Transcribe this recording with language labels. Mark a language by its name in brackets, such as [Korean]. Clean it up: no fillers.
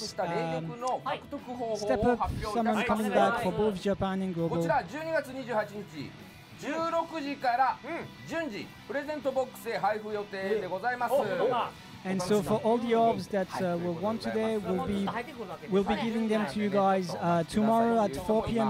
[English] Step up, someone coming back for both Japan and global. [Japanese] こちら12月28日16時から順次プレゼントボックスへ配布予定でございます。 [English] And so for all the orbs that will won today, we'll be giving them to you guys tomorrow at 4 p.m.